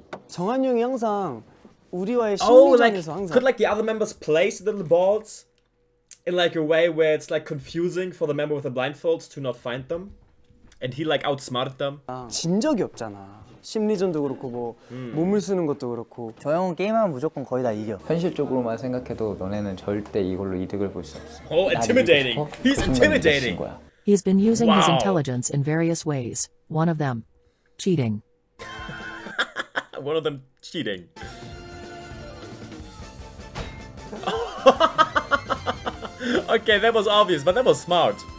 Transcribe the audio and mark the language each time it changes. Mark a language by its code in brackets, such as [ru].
[ko] 정한 형이 항상 우리와의 심리전에서 항상. [en] Could like the other members place the balls in like a way where it's like confusing for the member with the blindfolds to not find them? And he like outsmarted them. [ko] 진 적이 없잖아. 심리전도 그렇고 뭐 몸을 쓰는 것도 그렇고 저 형은 게임하면 무조건 거의 다 이겨. 현실적으로만 생각해도 너네는 절대 이걸로 이득을 볼 수 없어. [en] Oh, intimidating. He's intimidating. He's been using his intelligence in various ways. One of them, cheating. One of them cheating. Okay, that was obvious, but that was smart.